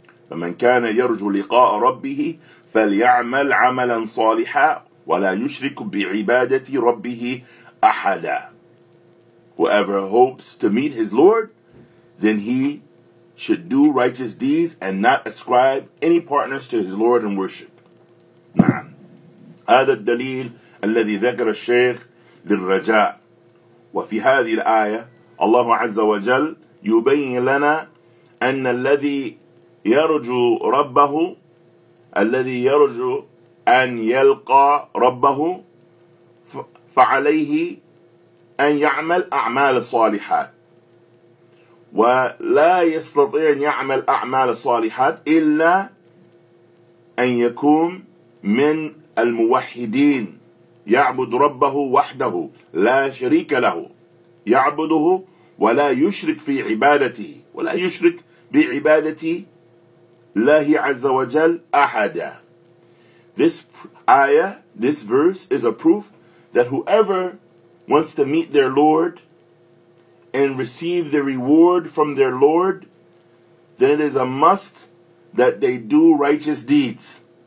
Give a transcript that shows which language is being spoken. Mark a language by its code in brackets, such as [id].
[ar] فَمَنْ كَانَ يَرْجُ لِقَاءَ رَبِّهِ فَلْيَعْمَلْ عَمَلًا صَالِحًا وَلَا يُشْرِكْ بِعِبَادَةِ رَبِّهِ أَحَدًا. [en] Whoever hopes to meet his Lord, then he should do righteous deeds and not ascribe any partners to his Lord in worship. [ar] نعم. هذا الدليل الذي ذكر الشيخ للرجاء. وفي هذه الآية الله عز وجل يبين لنا أن الذي يرجو ربه, الذي يرجو أن يلقى ربه, فعليه أن يعمل أعمال الصالحات, ولا يستطيع أن يعمل أعمال الصالحات إلا أن يكون من الموحدين, يعبد ربه وحده لا شريك له, يعبده ولا يشرك في عبادته, ولا يشرك بعبادة الله عز وجل أحدا. [en] This ayah, this verse is a proof that whoever wants to meet their Lord and receive the reward from their Lord, then it is a must that they do righteous deeds.